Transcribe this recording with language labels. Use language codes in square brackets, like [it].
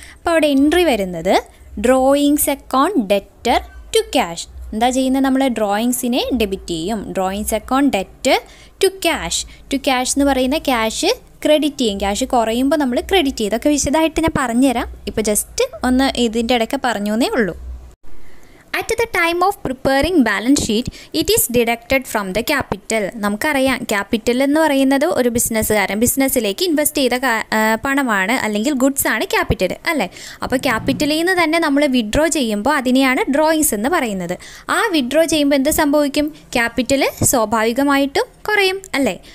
[ml] അപ്പോൾ അവിടെ എൻട്രി വരുന്നത് drawings account debtor to cash. എന്താ ചെയ്യുന്നത്? നമ്മൾ ഡ്രോയിങ്സിനെ ഡെബിറ്റ് ചെയ്യും. Drawings account debtor to cash. To cash എന്ന് പറയുന്ന ക്യാഷ് ക്രെഡിറ്റ് ചെയ്യും, ക്യാഷ് കുറയുമ്പോൾ നമ്മൾ ക്രെഡിറ്റ് ചെയ്യും. ഇതൊക്കെ വിശദമായിട്ട് ഞാൻ പറഞ്ഞുതരാം, ഇപ്പോൾ ജസ്റ്റ് ഒന്ന് ഇതിൻ്റെ ഇടയ്ക്ക് പറഞ്ഞേ ഉള്ളൂ. [en] At the time of preparing balance sheet, it is deducted from the capital. [ml] നമുക്കറിയാം ക്യാപിറ്റൽ എന്ന് പറയുന്നത് ഒരു ബിസിനസ്സുകാരൻ ബിസിനസ്സിലേക്ക് ഇൻവെസ്റ്റ് ചെയ്ത പണമാണ് അല്ലെങ്കിൽ ഗുഡ്സാണ് ക്യാപിറ്റൽ അല്ലേ. അപ്പോൾ ക്യാപിറ്റലിൽ നിന്ന് തന്നെ നമ്മൾ വിഡ്രോ ചെയ്യുമ്പോൾ അതിനെയാണ് ഡ്രോയിങ്സ് എന്ന് പറയുന്നത്. ആ വിഡ്രോ ചെയ്യുമ്പോൾ എന്ത് സംഭവിക്കും? ക്യാപിറ്റൽ സ്വാഭാവികമായിട്ടും കുറയും അല്ലേ.